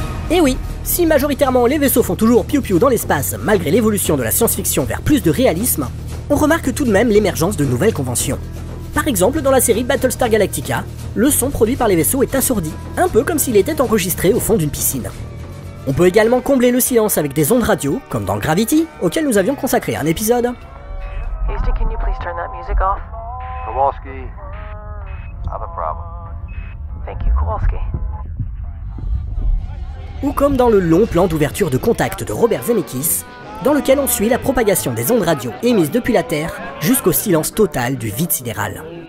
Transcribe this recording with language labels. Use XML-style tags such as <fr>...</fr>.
<fr>Et oui, si majoritairement les vaisseaux font toujours piou-piou dans l'espace malgré l'évolution de la science-fiction vers plus de réalisme, on remarque tout de même l'émergence de nouvelles conventions. Par exemple, dans la série Battlestar Galactica, le son produit par les vaisseaux est assourdi, un peu comme s'il était enregistré au fond d'une piscine. On peut également combler le silence avec des ondes radio, comme dans Gravity, auquel nous avions consacré un épisode.</fr> <en>Hasty, can you please turn that music off? Kowalski, I have a problem. Thank you, Kowalski.</en> <fr>Ou comme dans le long plan d'ouverture de contact de Robert Zemeckis, dans lequel on suit la propagation des ondes radio émises depuis la Terre jusqu'au silence total du vide sidéral.</fr>